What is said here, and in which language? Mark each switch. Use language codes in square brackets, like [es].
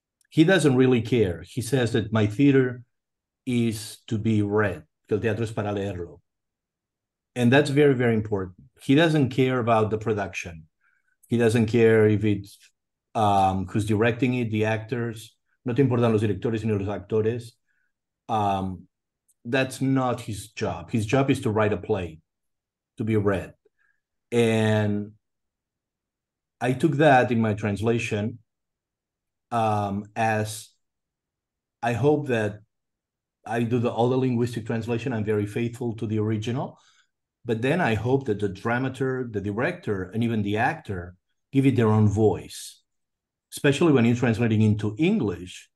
[en] He doesn't really care. He says that my theater is to be read, [es] que el teatro es para leerlo. [en] And that's very, very important. He doesn't care about the production. He doesn't care if it's who's directing it, the actors. [es] No te importan los directores ni los actores. [en] That's not his job. His job is to write a play, to be read. And I took that in my translation as I hope that I do all the linguistic translation. I'm very faithful to the original. But then I hope that the dramaturg, the director, and even the actor give it their own voice, especially when you're translating into English.